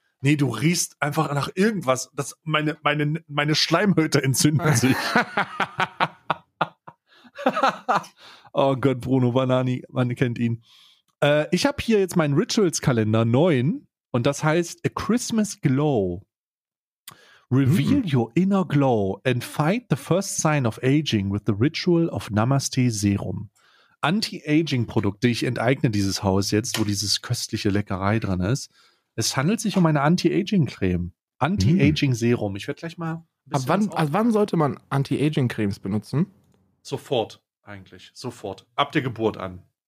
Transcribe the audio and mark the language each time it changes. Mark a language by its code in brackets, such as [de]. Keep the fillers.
[de] Nee, du riechst einfach nach irgendwas. Das, meine, meine, meine Schleimhöte entzünden sich. oh Gott, Bruno Banani, man kennt ihn. ich habe hier jetzt meinen Rituals-Kalender neun. Und das heißt A Christmas Glow. [en] Reveal mm -hmm. your inner glow and fight the first sign of aging with the ritual of Namaste Serum. [de] Anti-Aging-Produkte, ich enteigne dieses Haus jetzt, wo dieses köstliche Leckerei drin ist. Es handelt sich um eine Anti-Aging-Creme. Anti-Aging-Serum. Ich werde gleich mal. Ab wann, ab also wann sollte man Anti-Aging-Cremes benutzen? Sofort, eigentlich. Sofort. Ab der Geburt an.